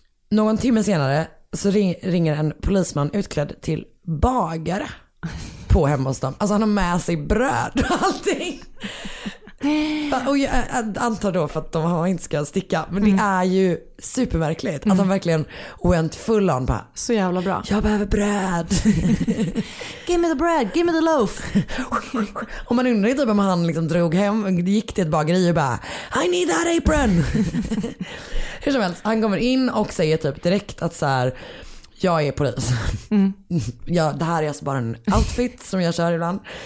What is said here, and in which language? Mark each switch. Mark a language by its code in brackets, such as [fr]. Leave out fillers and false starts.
[sv] Någon timme senare så ringer en polisman utklädd till bagare på hemma hos dem. Alltså han har med sig bröd och allting. Och jag antar då för att de inte ska sticka. Men det är ju supermärkligt att de verkligen [en] went full on [sv] bara, så jävla bra. Jag behöver bröd. [en] Give me the bread, give me the loaf. [sv] Och man undrar inte typ om han liksom drog hem, gick till ett bageri och bara, [en] I need that apron. [sv] Hur som helst, han kommer in och säger typ direkt att så här, jag är polis. Ja, det här är alltså bara en outfit som jag kör ibland.